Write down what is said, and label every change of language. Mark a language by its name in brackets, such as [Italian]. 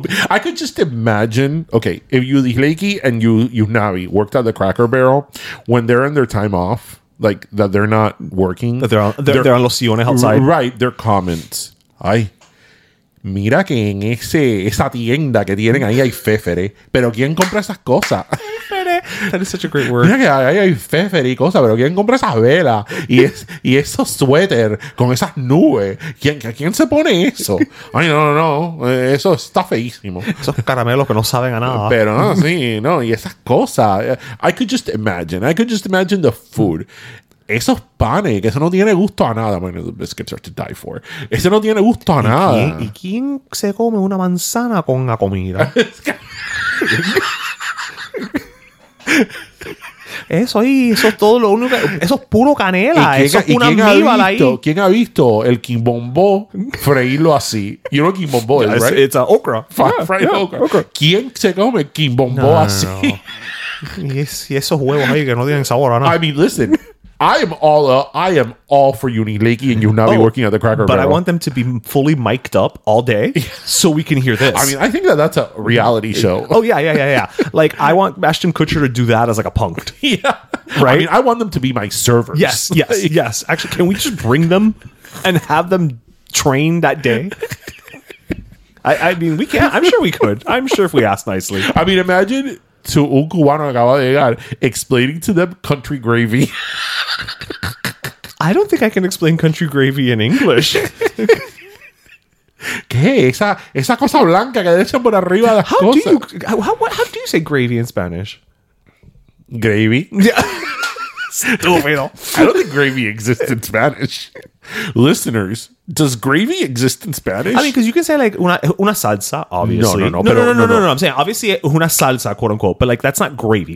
[English] I could just imagine, okay, if Yuli Lakey and Yunabi worked at the Cracker Barrel when they're in their time off, like that they're not working. They're on Los Siones outside. Right. Their comments. [Spanish] Mira que en esa tienda que tienen ahí hay fefere, pero ¿quién compra esas cosas? Fefere. [English] That is such a great word. [Spanish] Mira que ahí hay fefere y cosas, pero ¿quién compra esas velas? Y esos suéter con esas nubes. ¿Quién se pone eso? Ay, no. Eso está feísimo. Esos caramelos que no saben a nada. Pero no, sí, no. Y esas cosas. [English] I could just imagine the food. [Spanish] Esos panes, que eso no tiene gusto a nada. Bueno, [English] the biscuits are to die for. [Spanish] Eso no tiene gusto a nada. ¿Y quién se come una manzana con la comida? Eso ahí, eso es todo lo único. Eso es puro canela. ¿Quién ha visto el quimbombó freírlo así? [English] You know quimbombó, yeah, right? It's an okra. Fried okra. [Spanish] ¿Quién se come quimbombó así? No. Y esos huevos ahí que no tienen sabor a nada. [English] I mean, listen. I am all for Yuli Lakey and Yunabi working at the Cracker Barrel. But I want them to be fully mic'd up all day so we can hear this. I mean, I think that's a reality show. Oh, yeah. Like, I want Ashton Kutcher to do that as, like, a punk. Yeah. Right? I mean, I want them to be my servers. Yes. Actually, can we just bring them and have them train that day? I mean, we can. I'm sure we could. I'm sure if we ask nicely. I mean, imagine to [Spanish] un cubano acaba de llegar [English] explaining to them country gravy. I don't think I can explain country gravy in English. [Spanish] ¿Qué? Esa cosa blanca que echan por arriba las [English] how [Spanish] cosas. [English] How do you say gravy in Spanish? Gravy? Yeah. [Spanish] Stupido. [English] I don't think gravy exists in Spanish. Listeners, does gravy exist in Spanish? I mean, because you can say like una salsa, obviously. No. I'm saying obviously una salsa, quote unquote. But like that's not gravy.